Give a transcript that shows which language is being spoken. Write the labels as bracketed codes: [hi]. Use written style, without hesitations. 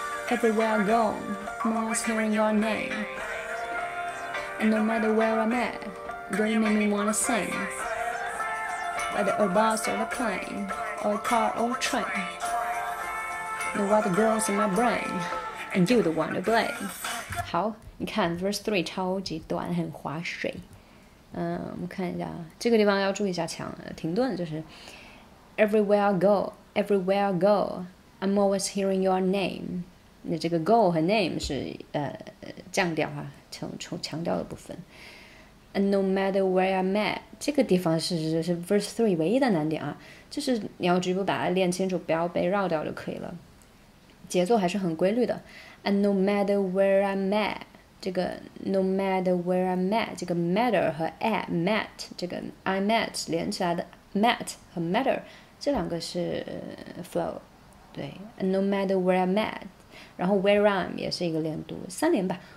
[en] Everywhere I go, I'm always hearing your name. And no matter where I'm at, girl, you make me wanna singWhether a bus or a plane, or a car or a train, know what the girl's in my brain, and you the one to blame. [zh] 好，你看 verse 3超级短，很划水。我们看一下，这个地方要注意一下强停顿，就是 [en] everywhere I go, everywhere I go, I'm always hearing your name. [zh] 那这个 go 和 name 是降调啊，从强调的部分。 [en] And no matter where I'm at, [zh] 这个地方是 verse 3唯一的难点啊，就是你要局部把它练清楚，不要被绕掉就可以了。节奏还是很规律的。 [en] And no matter where I'm at, 这个 no matter where I'm at, 这个 matter 和 at, mat, 这个 I'm at [zh] 连起来的 [en] mat 和 matter, [zh] 这两个是 [en] flow, 对。 And no matter where I'm at, [zh] 然后 where I'm 也是一个连读，三连吧。